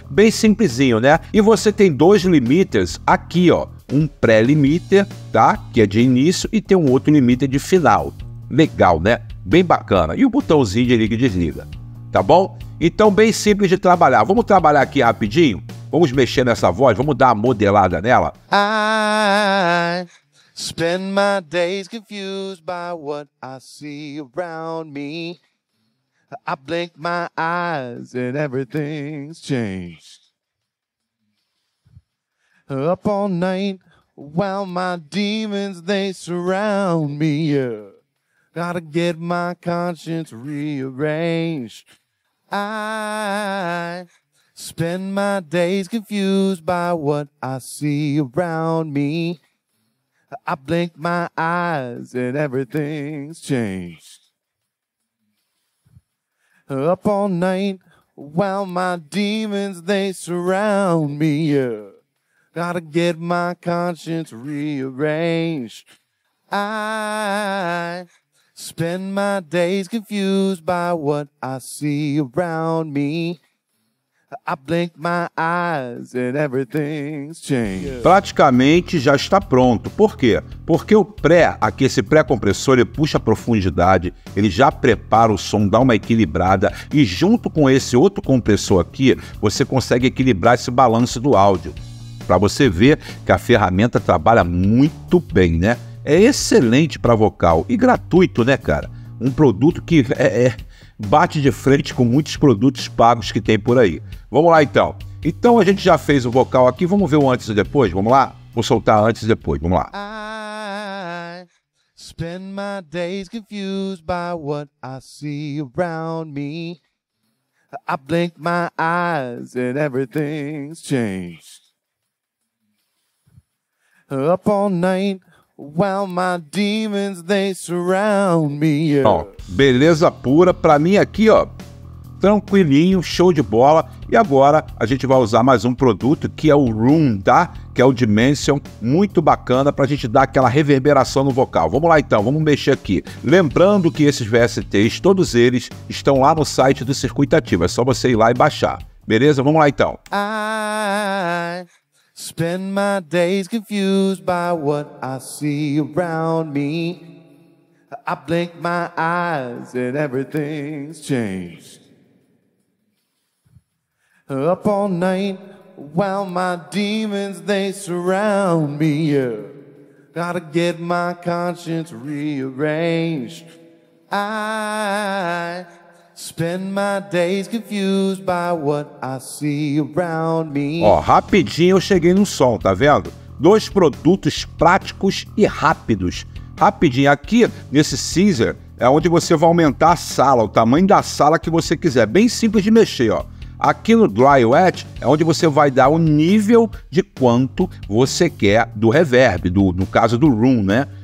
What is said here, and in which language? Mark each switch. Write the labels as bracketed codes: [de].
[pt] Bem simplesinho, né? E você tem dois limiters aqui, ó. Um pré-limiter, tá? Que é de início, e tem um outro limiter de final. Legal, né? Bem bacana. E o botãozinho de liga e desliga. Tá bom? Então, bem simples de trabalhar. Vamos trabalhar aqui rapidinho? Vamos mexer nessa voz? Vamos dar uma modelada nela? [en] I spend my days confused by what I see around me. I blink my eyes and everything's changed. Up all night while my demons, they surround me. Gotta get my conscience rearranged. I spend my days confused by what I see around me. I blink my eyes and everything's changed. Up all night while my demons, they surround me. Gotta get my conscience rearranged. I spend my days confused by what I see around me. I blink my eyes and everything's changed. [pt] Praticamente já está pronto. Por quê? Porque o pré, aqui esse pré-compressor, ele puxa a profundidade, ele já prepara o som, dá uma equilibrada, e junto com esse outro compressor aqui, você consegue equilibrar esse balanço do áudio. Para você ver que a ferramenta trabalha muito bem, né? É excelente para vocal e gratuito, né, cara? Um produto que bate de frente com muitos produtos pagos que tem por aí. Vamos lá, então. Então, a gente já fez o vocal aqui. Vamos ver o antes e depois? Vamos lá? Vou soltar antes e depois. Vamos lá. [en] I spend my days confused by what I see around me. I blink my eyes and everything's changed. Up all night while my demons, they surround me. [pt] Ó, beleza pura. Pra mim aqui, ó, tranquilinho, show de bola. E agora a gente vai usar mais um produto, que é o Room, tá? Que é o Dimension, muito bacana pra gente dar aquela reverberação no vocal. Vamos lá então, vamos mexer aqui. Lembrando que esses VSTs, todos eles, estão lá no site do Circuito Ativo. É só você ir lá e baixar. Beleza? Vamos lá então. [en] I spend my days confused by what I see around me. I blink my eyes and everything's changed. Up all night while my demons, they surround me. Gotta get my conscience rearranged. I spend my days confused by what I see around me. [pt] Ó, rapidinho eu cheguei no som, tá vendo? Dois produtos práticos e rápidos. Rapidinho, aqui nesse scissor é onde você vai aumentar a sala, o tamanho da sala que você quiser. Bem simples de mexer, ó. Aqui no Dry Wet é onde você vai dar o nível de quanto você quer do reverb, no caso do Room, né?